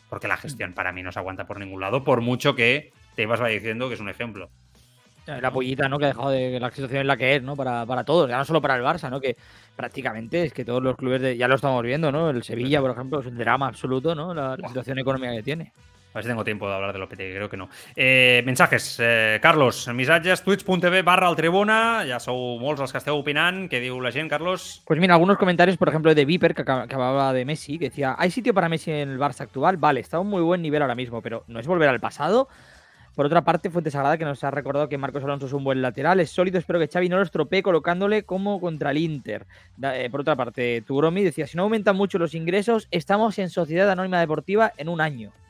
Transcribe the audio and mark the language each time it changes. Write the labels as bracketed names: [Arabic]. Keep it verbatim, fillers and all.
[Spanish] Porque la gestión para mí no se aguanta por ningún lado, por mucho que Tebas vaya diciendo que es un ejemplo. La pollita, ¿no? Que ha dejado de la situación en la que es, ¿no? Para, para todos, ya no solo para el Barça, ¿no? Que prácticamente es que todos los clubes, de, ya lo estamos viendo, ¿no? El Sevilla, por ejemplo, es un drama absoluto, ¿no? La, la situación económica que tiene. A ver si tengo tiempo de hablar de Lopetegui, creo que no. [Catalan] Eh, mensajes, eh, Carlos, missatges, twitch.tv barra el Tribuna, ja sou molts els que esteu opinant, què diu la gent, Carlos? [Spanish] Pues mira, algunos comentarios, por ejemplo, de Viper, que acababa de Messi, que decía, ¿hay sitio para Messi en el Barça actual? Vale, está a un muy buen nivel ahora mismo, pero ¿no es volver al pasado? Por otra parte, Fuentes Sagrada, que nos ha recordado que Marcos Alonso es un buen lateral, es sólido, espero que Xavi no lo estropee colocándole como contra el Inter. Por otra parte, Tugromi decía, si no aumentan mucho los ingresos, estamos en Sociedad Anónima Deportiva en un año.